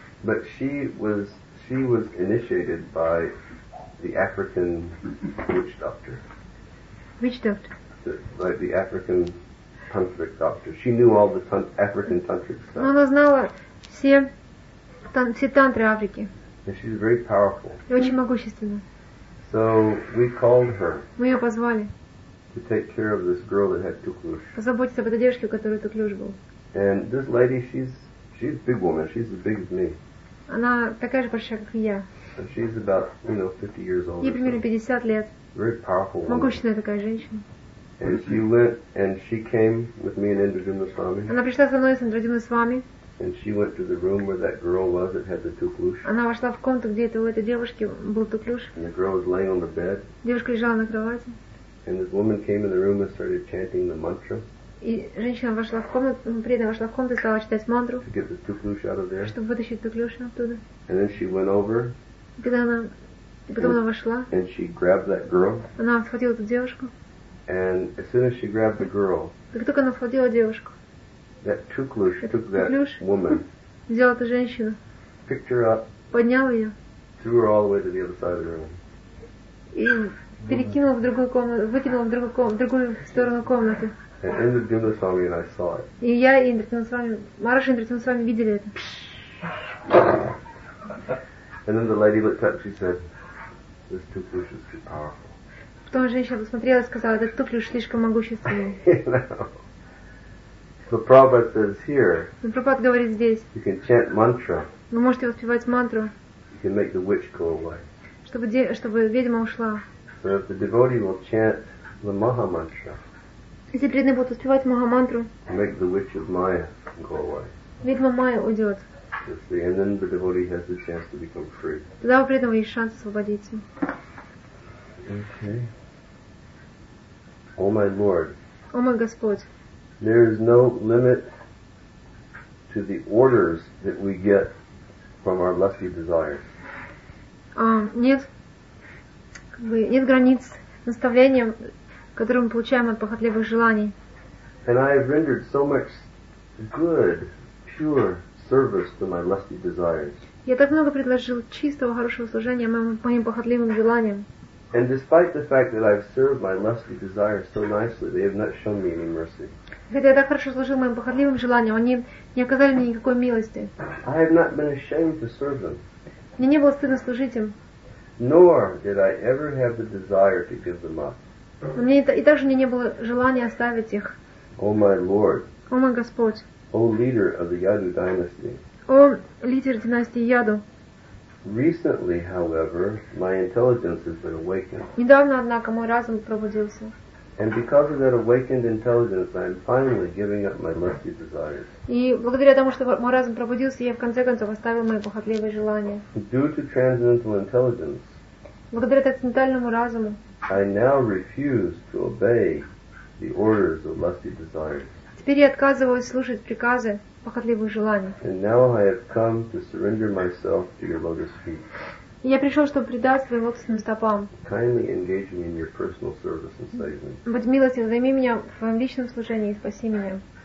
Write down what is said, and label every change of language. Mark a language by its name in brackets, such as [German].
[English] But she was initiated by the African witch doctor. Witch doctor. Like the African tantric doctor, she knew all the African tantric stuff. [Russian] Но она знала все тантры Африки. [English] And she's very powerful. [Russian] И очень могущественна. [English] So we called her. [Russian] Мы ее позвали. [English] to take care of this girl that had tuklush. [Russian] Позаботиться об этой девушке, у которой туклюш был. [English] And this lady, she's a big woman. She's as big as me. [Russian] Она такая же большая, как я. [English] And she's about, you know, 50 years old. [Russian] Ей примерно 50 лет. [English] Very powerful woman. [Russian] Могущественная такая женщина. [English] And she went, and she came with me and Indrajumna Swami. [Russian] Она пришла со мной с Индраджимой Свами. [English] And she went to the room where that girl was that had the tuklush. [Russian] Она вошла в комнату, где у этой девушки был туклюш. [English] And the girl was laying on the bed. [Russian] Девушка лежала на кровати. [English] And this woman came in the room and started chanting the mantra. [Russian] И женщина вошла в комнату, при этом вошла в комнату и стала читать мантру. [English] To get the tuklush out of there. [Russian] Чтобы вытащить туклюш оттуда. [English] And then she went over. [Russian] Когда она, потом она вошла. [English] And she grabbed that girl. [Russian] Она схватила эту девушку. [English] And as soon as she grabbed the girl, [Russian] как только она схватила девушку, [English] that tuklush took that woman, [Russian] взяла эту женщину, [English] picked her up, [Russian] поднял ее, [English] threw her all the way to the other side of the room, [Russian] и перекинул в другую комнату, выкинул в другую сторону комнаты. [English] And Indrajumna Swami and I saw it. [Russian] И я и Индраджимна Свами, Мараш и Индраджимна Свами видели это. [English] And then the lady looked up, she said, "This tuklush is too powerful." [Russian] Потом женщина посмотрела и сказала, этот туклюш слишком могущественный. [English] The Prabhupada says here. [Russian] Но Прабхупада говорит здесь. [English] You can chant mantra. [Russian] Вы можете воспевать мантру. [English] You can make the witch go away. [Russian] Чтобы ведьма ушла. [English] So if the devotee will chant the maha mantra. [Russian] Если преданный будет воспевать маха мантру. [English] Make the witch of Maya go away. [Russian] Ведьма Майя уйдет. [English] And then the devotee has the chance to become free. [Russian] Тогда у преданного есть шанс освободиться. [English] Okay. Oh my Lord. Oh my Господь. There is no limit to the orders that we get from our lusty desires. [Russian] Нет. Нет границ наставлениям, которые мы получаем от похотливых желаний. [English] And I have rendered so much good, pure service to my lusty desires. [Russian] Я так много предложил чистого, хорошего служения моим похотливым желаниям. [English] And despite the fact that I've served my lusty desires so nicely, they have not shown me any mercy. [Russian] Хотя я так хорошо служил моим похотливым желаниям, они не оказали мне никакой милости. [English] I have not been ashamed to serve them. [Russian] Мне не было стыдно служить им. [English] Nor did I ever have the desire to give them up. [Russian] Мне и также мне не было желания оставить их. [English] O my Lord. [Russian] О мой Господь. [English] O leader of the Yadu dynasty. [Russian] О лидер династии Яду. [English] Recently, however, my intelligence has been awakened. [Russian] Недавно, однако, мой разум пробудился. [English] And because of that awakened intelligence, I am finally giving up my lusty desires. [Russian] И благодаря тому, что мой разум пробудился, я в конце концов оставил мои похотливые желания. [English] Due to transcendental intelligence. [Russian] Благодаря трансцендентальному разуму. [English] I now refuse to obey the orders of lusty desires. [Russian] Теперь я отказываюсь слушать приказы похотливых желаний. Я пришел, чтобы предать свои лотосным стопам. Будь милостив, займи меня в своем личном служении и спаси меня.